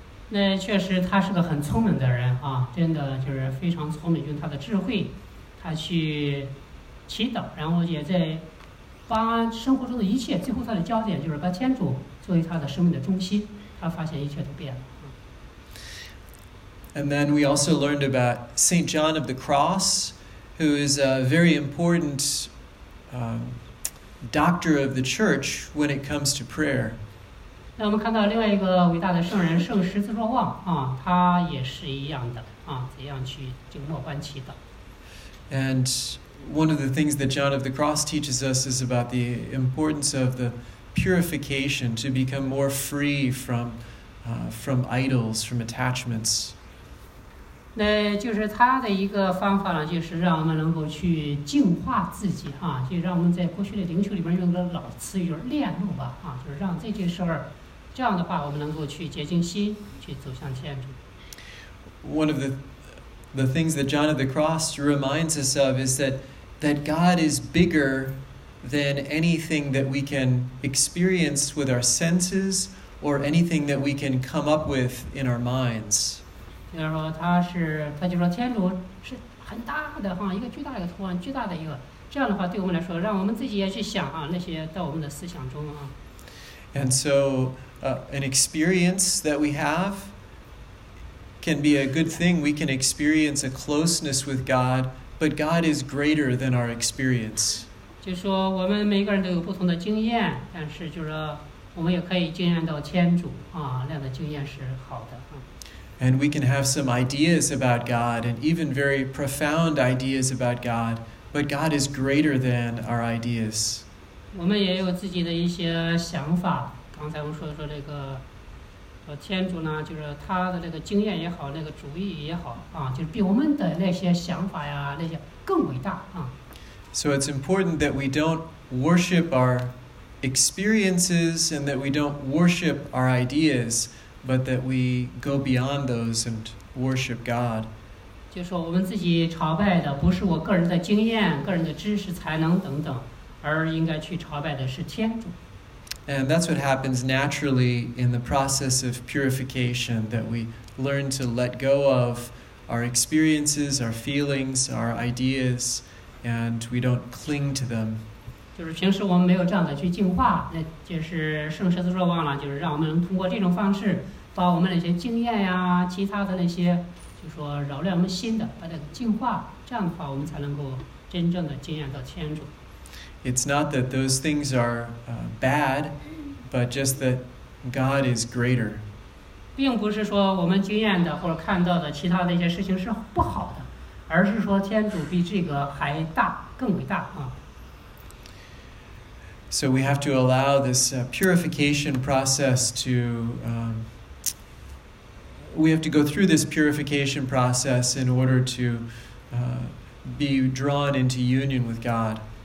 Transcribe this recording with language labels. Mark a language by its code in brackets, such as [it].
[zh] 那确实他是个很聪明的人啊，真的就是非常聪明，用他的智慧，他去祈祷，然后也在帮生活中的一切，最后他的焦点就是把天主作为他的生命的中心，他发现一切都变了。 [en] And then we also learned about St. John of the Cross, who is a very important doctor of the church when it comes to prayer. [zh] 那我们看到另外一个伟大的圣人圣十字若望啊，他也是一样的啊，怎样去就默观祈祷。 [en] And one of the things that John of the Cross teaches us is about the importance of the purification to become more free from idols, from attachments. [zh] 那就是他的一个方法呢，就是让我们能够去净化自己啊，就让我们在过去的灵修里边用的老词语炼炉吧啊，就是让这件事儿，这样的话我们能够去洁净心，去走向天主。 [en] One of the things that John of the Cross reminds us of is that God is bigger than anything that we can experience with our senses or anything that we can come up with in our minds. [zh] 就是说他就说天主是很大的哈，一个巨大的一个图案，巨大的一个，这样的话对我们来说，让我们自己也去想啊，那些在我们的思想中啊。 [en] And so, an experience that we have can be a good thing. We can experience a closeness with God, but God is greater than our experience. [zh] 就说我们每个人都有不同的经验，但是就是我们也可以经验到天主啊，那样的经验是好的啊。 [en] And we can have some ideas about God, and even very profound ideas about God, but God is greater than our ideas. We also have our own ideas. Just like we said, God is greater than our experience, or our ideas, is greater than our ideas. So it's important that we don't worship our experiences and that we don't worship our ideas. But that we go beyond those and worship God. [zh] 就是我们自己朝拜的不是我个人的经验、个人的知识、才能等等，而应该去朝拜的是天主。 [en] And that's what happens naturally in the process of purification, that we learn to let go of our experiences, our feelings, our ideas, and we don't cling to them. [zh] 就是平时我们没有这样的去净化，那就是圣十字若望了，就是让我们通过这种方式，把我们那些经验呀、其他的那些，就说扰乱我们心的，把它净化，这样的话我们才能够真正的经验到天主。 [en] It's not that those things are bad, but just that God is greater. [zh] 并不是说我们经验的或者看到的其他的一些事情是不好的，而是说天主比这个还大，更伟大啊。 [en] So we have to allow this purification process to, we have to go through this purification process in order to be drawn into union with God.